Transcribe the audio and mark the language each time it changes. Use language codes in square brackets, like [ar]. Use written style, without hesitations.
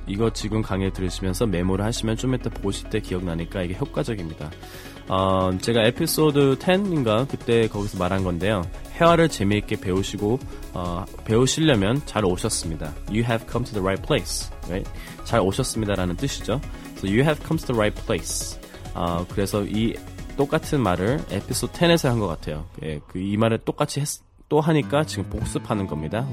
[ko] 이거 지금 강의 들으시면서 메모를 하시면 좀 이따 보실 때 기억나니까 이게 효과적입니다. 제가 에피소드 10인가 그때 거기서 말한 건데요. 회화를 재미있게 배우시고 배우시려면 잘 오셨습니다. [en] You have come to the right place. Right? [ko] 잘 오셨습니다라는 뜻이죠. [en] So you have come to the right place. [ko] 그래서 이 똑같은 말을 에피소드 10에서 한 것 같아요. 예, 그 이 말을 똑같이 또 하니까 지금 복습하는 겁니다.